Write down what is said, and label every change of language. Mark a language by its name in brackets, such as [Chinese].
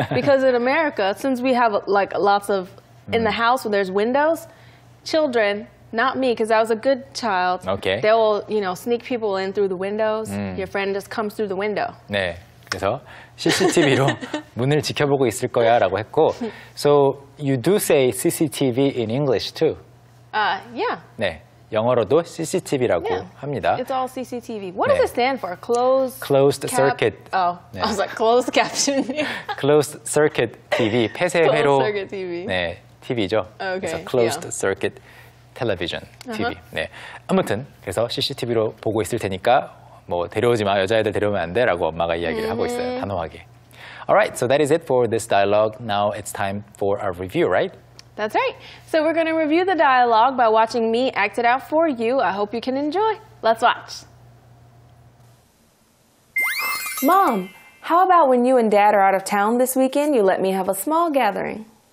[English] Because in America, since we have like lots of, in the house where there's windows, children, not me, because I was a good child. Okay. They will, you know, sneak people in through the windows. Your friend just comes through the window. [Korean] 네. 그래서 CCTV로 문을 지켜보고 있을 거야 라고 했고. [English] So you do say CCTV in English too. Yeah. [Korean] 네. 영어로도 CCTV라고 yeah. 합니다. [English] It's all CCTV. What [Korean] 네. [English] does it stand for? Closed, closed circuit. Oh, [Korean] 네. [English] I was like closed caption. closed circuit TV. [Korean] 폐쇄회로. [English] Closed circuit TV. [Korean] 네, TV죠. [English] Okay. [Korean] 그래서 [English] closed yeah. circuit television TV. Uh-huh. [Korean] 네. 아무튼 그래서 CCTV로 보고 있을 테니까 뭐 데려오지 마, 여자애들 데려오면 안 돼 라고 엄마가 이야기를 mm-hmm. 하고 있어요, 단호하게. [English] Alright, so that is it for this dialogue. Now it's time for a review, right? That's right. So we're going to review the dialogue by watching me act it out for you. I hope you can enjoy. Let's watch. Mom, how about when you and Dad are out of town this weekend, you let me have a small gathering?